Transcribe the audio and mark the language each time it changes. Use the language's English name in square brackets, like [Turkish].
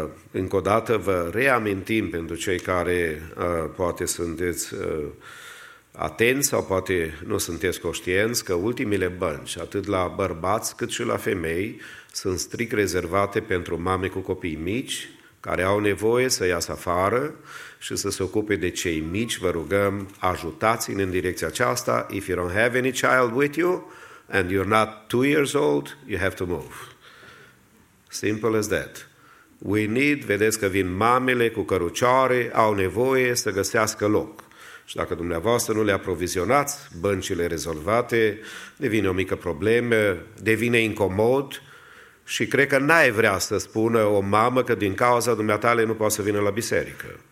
[Romanian] Încă o dată vă reamintim pentru cei care poate sunteți atenți sau poate nu sunteți conștienți că ultimile bănci, atât la bărbați cât și la femei, sunt strict rezervate pentru mame cu copii mici care au nevoie să iasă afară și să se ocupe de cei mici. Vă rugăm, ajutați-ne în direcția aceasta. [English] If you don't have any child with you and you're not 2 years old, you have to move. Simple as that. We need, [Romanian] vedeți că vin mamele cu cărucioare, au nevoie să găsească loc. Și dacă dumneavoastră nu le aprovizionați băncile rezolvate, devine o mică problemă, devine incomod. Și cred că n-ai vrea să spună o mamă că din cauza dumneatale nu poate să vină la biserică.